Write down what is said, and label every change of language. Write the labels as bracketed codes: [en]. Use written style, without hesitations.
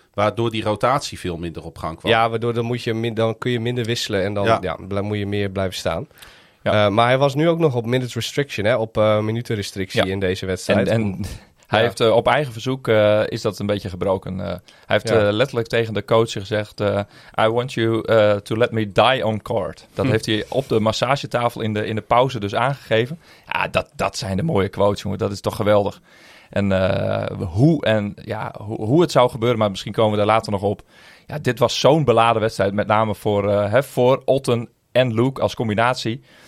[nl] Waardoor die rotatie veel minder op gang kwam. Ja, waardoor dan kun je minder wisselen en dan moet je meer blijven staan. Ja. Maar hij was nu ook nog op [en] minute restriction, [nl] hè, op minutenrestrictie in deze wedstrijd. Hij heeft op eigen verzoek is dat een beetje gebroken. Hij heeft letterlijk tegen de coach gezegd... [en] I want you to let me die on court. [nl] Dat heeft hij op de massagetafel in de pauze dus aangegeven. Ja, dat zijn de mooie quotes, jongen. Dat is toch geweldig. En hoe het zou gebeuren, maar misschien komen we daar later nog op. Ja, dit was zo'n beladen wedstrijd, met name voor Otten en Luke als combinatie.